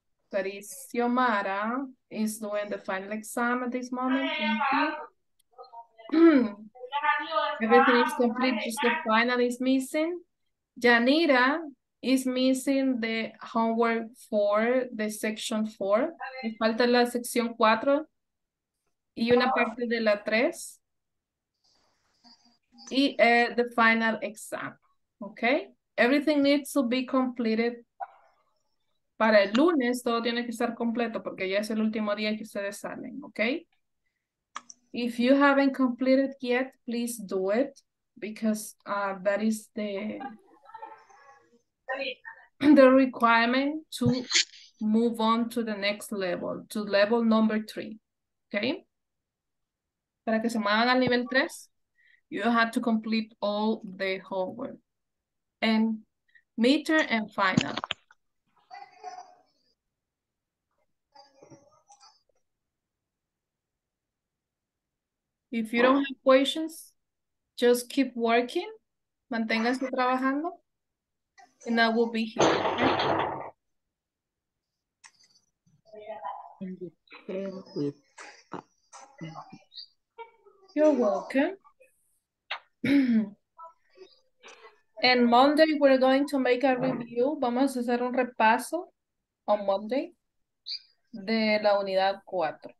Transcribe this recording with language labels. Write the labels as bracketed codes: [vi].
[en] That is Xiomara is doing the final exam at this moment. Everything is complete, just the final is missing. Janira is missing the homework for the section 4. [es] Le falta la sección 4 y una parte de la 3. [en] Y the final exam. Okay? Everything needs to be completed. [es] Para el lunes todo tiene que estar completo porque ya es el último día que ustedes salen, ¿ok? [en] If you haven't completed yet, please do it because that is the requirement to move on to the next level, to level number 3, ¿ok? [es] Para que se muevan al nivel 3, [en] you have to complete all the homework and midterm and final. If you don't have questions, just keep working. [es] Manténganse trabajando. [en] And I will be here. You're welcome. And Monday we're going to make a review. [es] Vamos a hacer un repaso [en] on Monday [es] de la unidad 4.